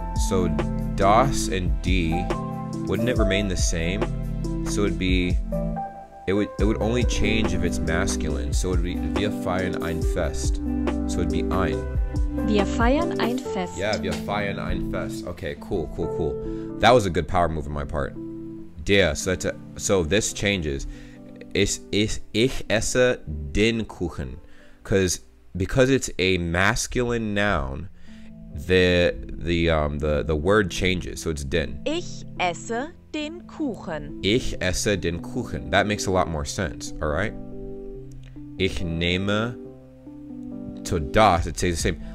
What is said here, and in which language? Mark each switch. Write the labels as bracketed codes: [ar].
[en] So das and die, wouldn't it remain the same? So it'd be, it would only change if it's masculine. So it'd be [de] wir feiern ein Fest. [en] So it'd be ein. [de] Wir feiern ein Fest. Yeah, wir feiern ein Fest. [en] Okay, cool. That was a good power move on my part. Der, so that's so this changes. [de] Ich esse den Kuchen. [en] Because it's a masculine noun, the word changes. So it's den. [de] Ich esse den Kuchen. Ich esse den Kuchen. [en] That makes a lot more sense, all right? [de] Ich nehme, [en] so das, it says the same.